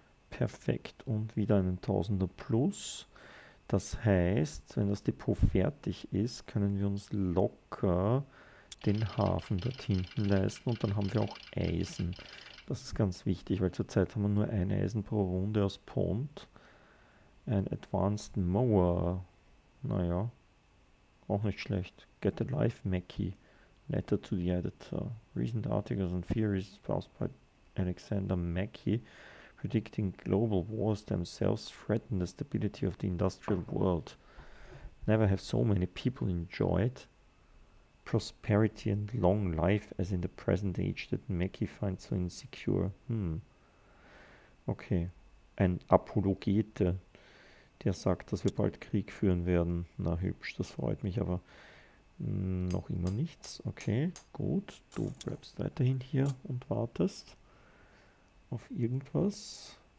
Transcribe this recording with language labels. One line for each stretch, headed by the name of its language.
German: Perfekt. Und wieder einen Tausender plus. Das heißt, wenn das Depot fertig ist, können wir uns locker den Hafen dort hinten leisten und dann haben wir auch Eisen. Das ist ganz wichtig, weil zurzeit haben wir nur ein Eisen pro Runde aus Pont. Ein Advanced Mower. Naja, auch nicht schlecht.
English: Get a Life Mackie. Letter to the Editor. Recent articles on theories espoused by Alexander Mackie predicting global wars themselves threaten the stability of the industrial world. Never have so many people enjoyed prosperity and long life as in the present age, that Mackie finds so insecure. Okay.
German: Ein Apologete, der sagt, dass wir bald Krieg führen werden. Na hübsch, das freut mich aber. Noch immer nichts. Okay, gut. Du bleibst weiterhin hier und wartest auf irgendwas.